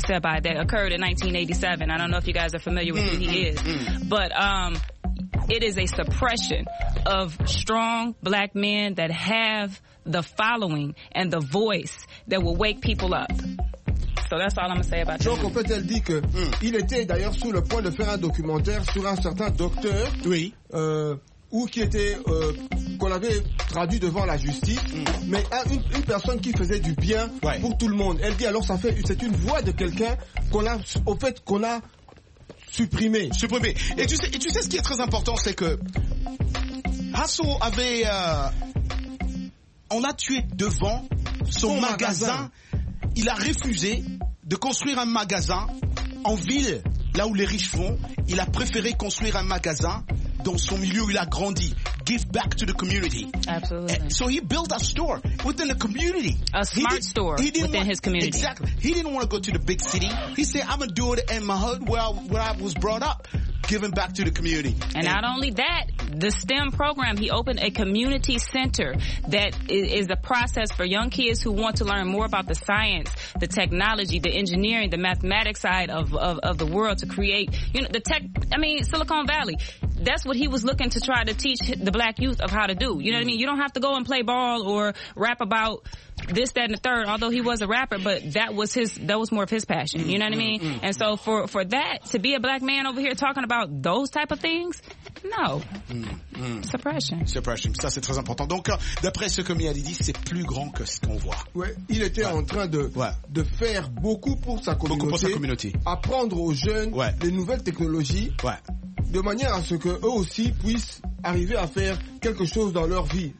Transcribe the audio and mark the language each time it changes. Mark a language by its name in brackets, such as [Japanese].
[English] Sebi that occurred in 1987. I don't know if you guys are familiar with who he is. But it is a suppression of strong black men that have the following and the voice that will wake people up. So that's all I'm going to say about that. [French] Donc, en fait, elle dit qu'il était d'ailleurs sur le point de faire un documentaire sur un certain docteur. Oui. Ou qui était qu'on avait traduit devant la justice, mais une personne qui faisait du bien pour tout le monde. Elle dit alors c'est une voix de quelqu'un qu'on a supprimé. Et tu sais ce qui est très important, c'est que Hasso avait on a tué devant son magasin. Il a refusé de construire un magasin en ville là où les riches vont. Il a préféré construire un magasin dans son milieu où il a grandi. [English] Give back to the community. Absolutely. So he built a store within the community. A smart store within his community. Exactly. He didn't want to go to the big city. He said, I'm going to do it in my hood where I was brought up. Giving back to the community. And not only that, the STEM program, he opened a community center that is a process for young kids who want to learn more about the science, the technology, the engineering, the mathematics side of the world to create, you know, Silicon Valley. That's what he was looking to try to teach the black youth of how to do. You know what I mean? You don't have to go and play ball or rap about this, that, and the third, although he was a rapper, but that was more of his passion. You know what I mean? And so for that, to be a black man over here talking about those type of things, no. Suppression. [French] Ça, c'est très important. Donc, d'après ce que Mia dit, c'est plus grand que ce qu'on voit. Ouais. Il était en train de faire beaucoup pour sa communauté. Beaucoup pour sa communauté. Apprendre aux jeunes les nouvelles technologies. Ouais. De manière à ce que eux aussi puissent arriver à faire quelque chose dans leur vie.